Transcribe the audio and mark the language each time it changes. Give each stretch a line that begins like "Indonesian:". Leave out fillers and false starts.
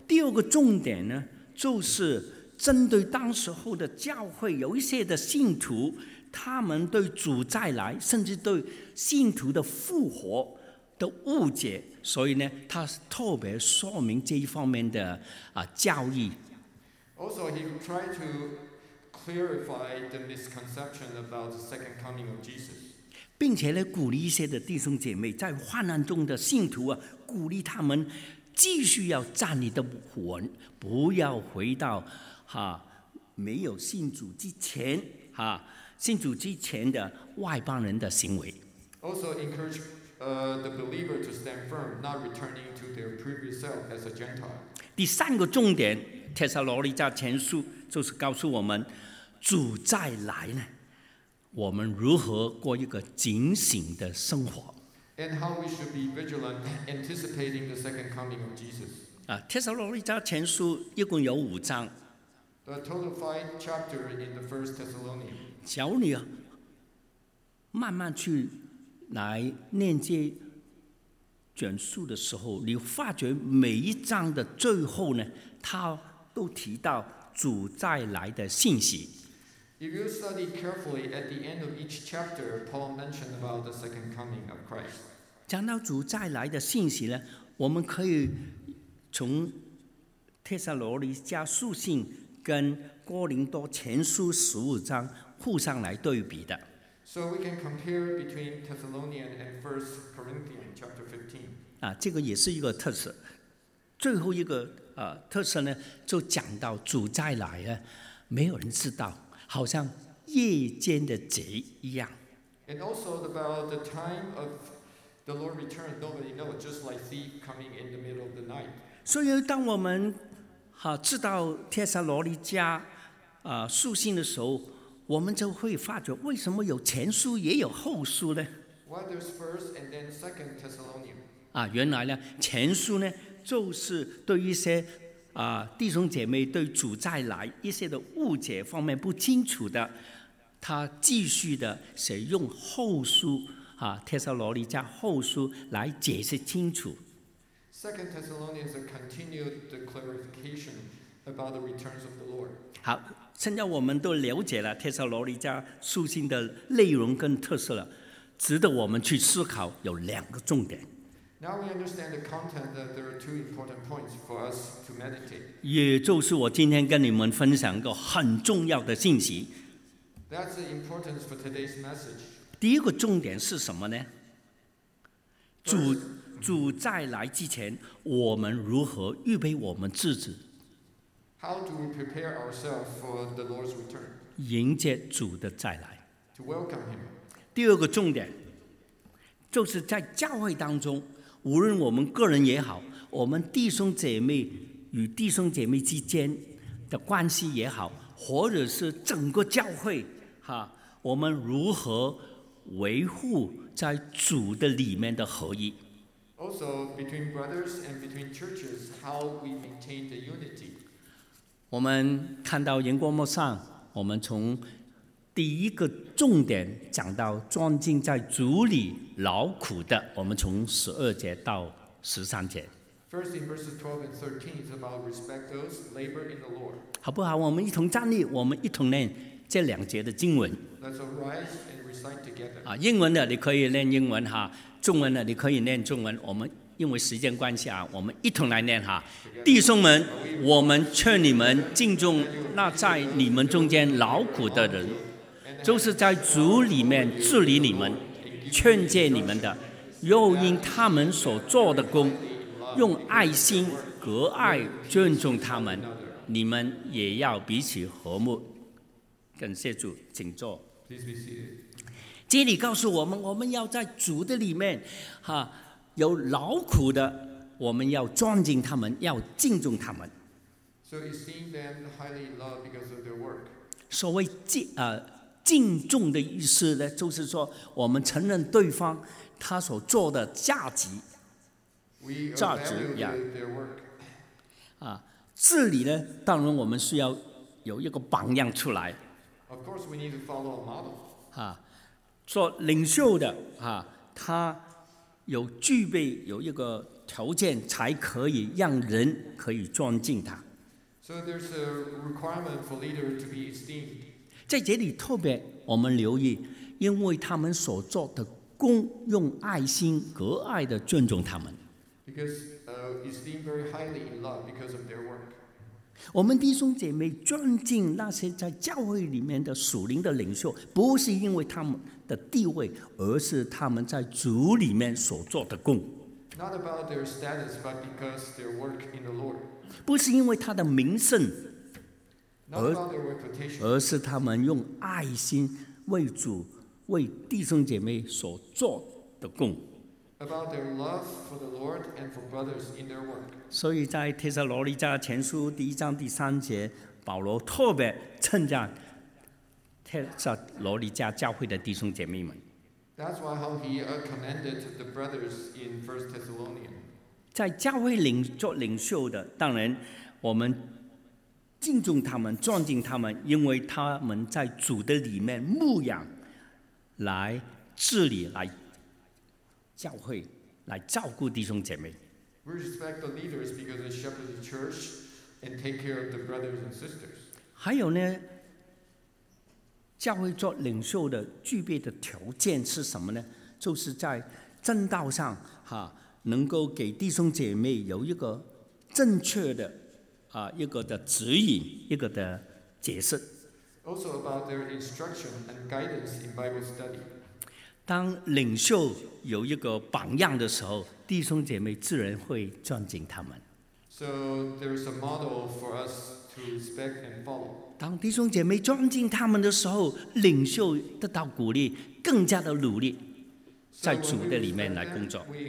Chinese: 第二个重点呢，就是针对当时候的教会有一些的信徒，他们对主再来，甚至对信徒的复活的误解，所以呢，他特别说明这一方面的啊教义。
English: Also, he tried to clarify the misconception about the second coming of Jesus.
Chinese: 并且呢，鼓励一些的弟兄姐妹在患难中的信徒啊，鼓励他们继续要站立的稳，不要回到哈、没有信主之前哈、信主之前的外邦人的行为。
English: Also encourage the believer to stand firm, not returning to their previous self as a Gentile.
Chinese: 第三个重点，帖撒罗尼迦前书就是告诉我们，主再来呢，我们如何过一个警醒的生活。
English: And how we should be vigilant, anticipating the second coming of Jesus.
Chinese: 啊，帖撒罗尼迦前书一共有五章。
English: The total five chapter in the first Thessalonians.
Chinese: 小女慢慢去来念这卷书的时候，你发觉每一章的最后呢，他都提到主再来的信息。
English: If you study carefully at the end of each chapter, Paul mentioned about the second coming of Christ.
Chinese: 讲到主再来的信息呢，我们可以从帖撒罗尼迦书信跟哥林多前书十五章互相来对比的。
English: So we can compare between Thessalonians and 1 Corinthians chapter 15.
Chinese: 啊，这个也是一个特色。最后一个特色呢，就讲到主再来呢，没有人知道，好像夜间的贼一样。
English: And also about the time of the Lord return, nobody knows, just like thief coming in the middle of the night.
Chinese: 所以当我们知道帖撒罗尼迦书信的时候，我们就会发觉为什么有前书也有后书呢？
English: Why there's first and then second Thessalonians?
Chinese: 原来呢，前书呢就是对一些弟兄姐妹对主再来一些的误解方面不清楚的，他继续的使用后书帖撒罗尼迦后书来解释清楚。
English: Second Thessalonians continued the clarification about the returns of the Lord.
Chinese: 好，现在我们都了解了帖撒罗尼迦书信的内容跟特色了，值得我们去思考有两个重点。
English: Now we understand the content that there are two important points for us to meditate.
Chinese: 也就是我今天跟你们分享一个很重要的信息。
English: That's the importance for today's message.
Chinese: 第一个重点是什么呢？主再来之前，我们如何预备我们自己？
English: How do we prepare ourselves for the Lord's return?
Chinese: 迎接主的再来。
English: To welcome him.
Chinese: 第二个重点，就是在教会当中，无论我们个人也好，我们弟兄姐妹与弟兄姐妹之间的关系也好，或者是整个教会，我们如何维护在主的里面的合一。
English: Also, between brothers and between churches, how we maintain the unity.
Chinese: 我们看到荧光幕上，我们从第一个重点讲到专心在主里劳苦的，我们从十二节到十三节。
English: First, in verses 12 and 13, it's about respect those labor in the Lord.
Chinese: 好不好？我们一同站立，我们一同念这两节的经文。
English: Let's arise and recite together.
Chinese: 英文的，你可以念英文哈。中文的你可以念中文，我们因为时间关系啊，我们一同来念哈。弟兄们，我们劝你们敬重那在你们中间劳苦的人，就是在主里面治理你们、劝诫你们的，又因他们所做的功，用爱心格外尊重他们，你们也要彼此和睦。感谢主，请坐。这里告诉我们，我们要在主的里面，哈，有劳苦的，我们要尊敬他们，要敬重他们。
English: So it seems them highly loved because of their work.
Chinese: 所谓敬重的意思呢，就是说我们承认对方他所做的价值。
English: We evaluate their work.
Chinese: 治理呢，当然我们需要有一个榜样出来。
English: Of course, we need to follow a model.
Chinese: 做领袖的他有具备有一个条件，才可以让人可以尊敬他。
English: So there's a requirement for leader to be esteemed.
Chinese: 在这里特别我们留意，因为他们所做的功，用爱心格外的尊重他们。
English: Because esteemed very highly in love because of their work.
Chinese: 我们弟兄姐妹尊敬那些在教会里面的属灵的领袖，不是因为他们的地位，而是他们在主里面所做的功。
English: Not about their status, but because their work in the Lord.
Chinese: 不是因为他的名声，
English: Not about their reputation.
Chinese: 而是他们用爱心为主、为弟兄姐妹所做的功。
English: About their love for the Lord and for brothers in their work.
Chinese: 所以在帖撒罗尼迦前书第一章第三节，保罗特别称赞帖撒罗尼迦教会的弟兄姐妹们。
English: That's why how he commended the brothers in 1 Thessalonians.
Chinese: 在教会领做领袖的，当然我们敬重他们、尊敬他们，因为他们在主的里面牧养、来治理、来教会、来照顾弟兄姐妹。
English: We respect the leaders because they shepherd the church and take care of the brothers and sisters.
Chinese: 还有呢？教会做领袖的具备的条件是什么呢？就是在正道上能够给弟兄姐妹有一个正确的一个的指引，一个的解释。
English: Also about their instruction and guidance in Bible study.
Chinese: 当领袖有一个榜样的时候，弟兄姐妹自然会尊敬他们。
English: So there's a model for us to respect and follow.
Chinese: 当弟兄姐妹尊敬他们的时候，领袖得到鼓励，更加的努力在主的里面来工作。